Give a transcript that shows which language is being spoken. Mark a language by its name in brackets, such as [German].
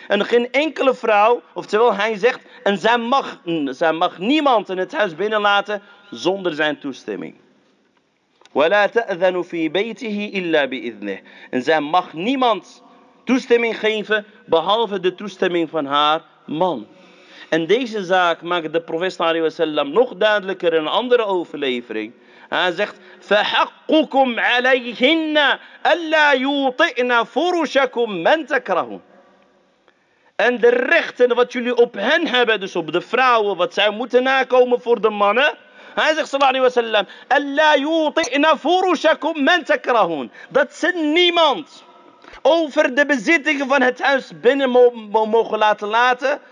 [Dutch] En geen enkele vrouw, oftewel hij zegt, en zij mag niemand in het huis binnenlaten zonder zijn toestemming. [Arabic] وَلَا تَأْذَنُ فِي بَيْتِهِ إِلَّا بِإِذْنِهِ. [Dutch] En zij mag niemand toestemming geven, behalve de toestemming van haar man. En deze zaak maakt de profeet sallallahu alaihi wasallam nog duidelijker in een andere overlevering. Hij zegt, [Arabic] فَحَقُّكُمْ عَلَيْهِنَّ أَلَّا يُوطِئْنَ فُرُشَكُمْ مَنْ تَكْرَهُمْ. [Dutch] En de rechten wat jullie op hen hebben, dus op de vrouwen, wat zij moeten nakomen voor de mannen. Hij zegt [Arabic] sallallahu alaihi wasallam, أَلَّا يُوطِئْنَ فُرُشَكُمْ مَنْ تَكْرَهُمْ. [Dutch] Dat ze niemand over de bezittingen van het huis binnen mogen laten.